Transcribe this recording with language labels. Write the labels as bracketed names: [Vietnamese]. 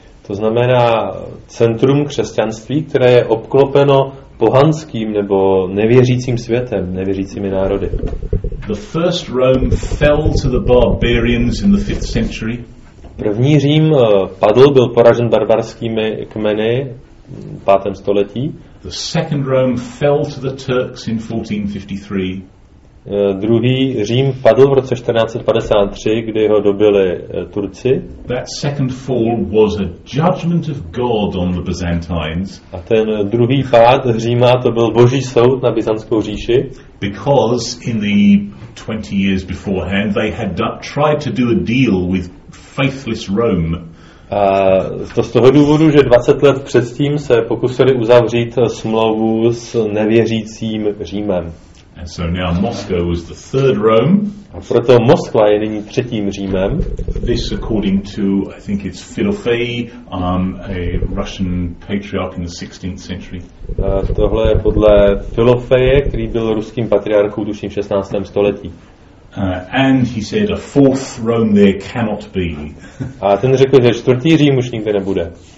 [Czech] To znamená centrum křesťanství, které je obklopeno pohanským nebo nevěřícím světem, nevěřícími národy. [English] The first Rome fell to the barbarians in the 5th century. [Czech] První Řím padl, byl poražen barbarskými kmeny v 5. století. [English] The second Rome fell to the Turks in 1453. [Czech] Druhý Řím padl v roce 1453, kdy ho dobili Turci. [English] That second fall was a judgment of God on the Byzantines. [Czech] A ten druhý pád Říma, to byl Boží soud na Byzantskou říši. [English] Because in the 20 years beforehand they had tried to do a deal with faithless Rome. [Czech] To z toho důvodu, že 20 let předtím se pokusili uzavřít smlouvu s nevěřícím Římem. [English] And so now Moscow was the third Rome. [Czech] A proto Moskva je nyní třetím Římem. [English] This according to, I think it's Filofey, a Russian patriarch in the 16th century. [Czech] Tohle je podle Filofeje, který byl ruským patriarchou tuším v 16. století. [English] And he said a fourth Rome there cannot be. [Czech] A ten řekl, že čtvrtý Řím už nikdy nebude.